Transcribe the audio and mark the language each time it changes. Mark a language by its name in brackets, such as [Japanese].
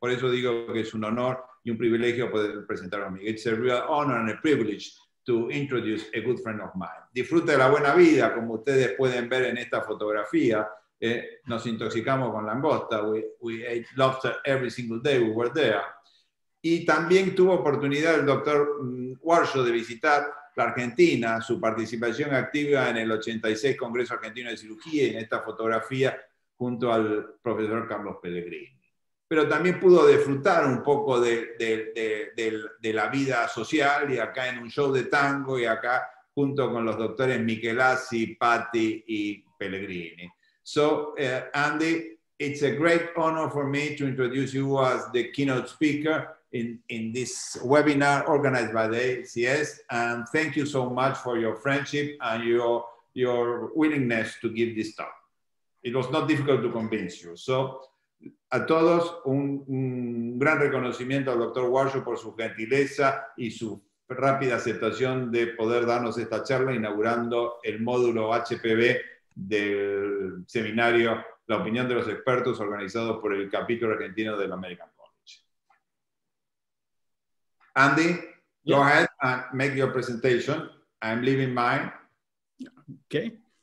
[Spanish] Por eso digo que es un honor y un privilegio poder presentar a mí. [English] It's a real honor and a privilege to introduce a good friend of mine. [Spanish] Disfrute de la buena vida, como ustedes pueden ver en esta fotografía. Nos intoxicamos con langosta. [English] We ate lobster every single day we were there. [Spanish] Y también tuvo oportunidad el Dr. Warshaw de visitar la Argentina, su participación activa en el 86 Congreso Argentino de Cirugía, en esta fotografía junto al profesor Carlos Pellegrini. Pero también pudo disfrutar un poco de la vida social y acá en un show de tango y acá junto con los doctores Michelazzi, Patti y Pellegrini. [English] So, Andy, it's a great honor for me to introduce you as the keynote speaker in this webinar organized by the ACS. And thank you so much for your friendship and your willingness to give this talk. It was not difficult to convince you. [Spanish] So, a todos, un gran reconocimiento al Dr. Warshaw por su gentileza y su rápida aceptación de poder darnos esta charla inaugurando el módulo HPB del seminario La Opinión de los Expertos organizado por el Capítulo Argentino del American College. [English] Andy, yeah. Go ahead and make your presentation. I'm leaving mine. Okay.